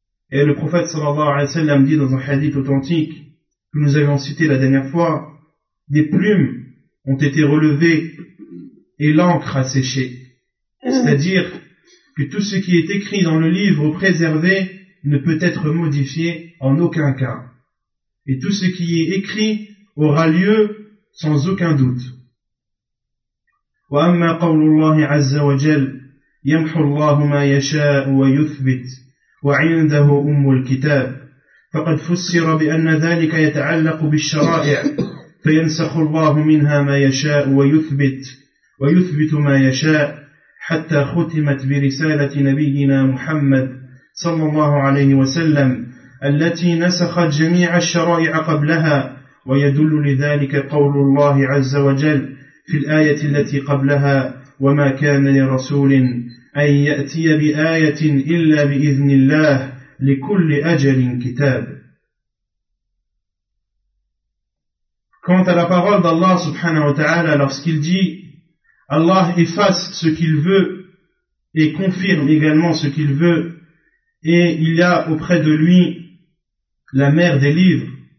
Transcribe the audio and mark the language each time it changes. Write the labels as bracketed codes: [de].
[fr] Et le prophète sallallahu alayhi wa sallam dit dans un hadith authentique que nous avions cité la dernière fois, des plumes ont été relevées et l'encre a séché. C'est-à-dire que tout ce qui est écrit dans le livre préservé ne peut être modifié en aucun cas. Et tout ce qui est écrit aura lieu sans aucun doute. [ar] وَأَمَّا قَوْلُ اللَّهِ عَزَّ وَجَلْ يَمْحُ اللَّهُ مَا يَشَاءُ وَيُثْبِتْ وَعِنْدَهُ أُمُّ الْكِتَابِ فَقَدْ فُسِّرَ بِأَنَّ ذَلِكَ يَتَعَلَّقُ بِالشَّرَائِعِ فَيَنْسَخُ اللَّهُ مِنْهَا مَا يَشَاءُ وَيُثْبِتُ مَا يَشَاءُ حَتَّى خُتِمَتْ بِرِسَالَةِ نَبِيِّنَا مُحَمَّدٍ صلى الله عليه وسلم التي نسخت جميع الشرائع قبلها ويدل لذلك قول الله عز وجل في الآية التي قبلها وما كان لرسول أن يأتي بآية إلا بإذن الله لكل أجل كتاب. [fr] Quant à la parole d'Allah subhanahu wa ta'ala lorsqu'il dit Allah efface ce qu'il veut et confirme également ce qu'il veut et il y a auprès de lui la mère des livres.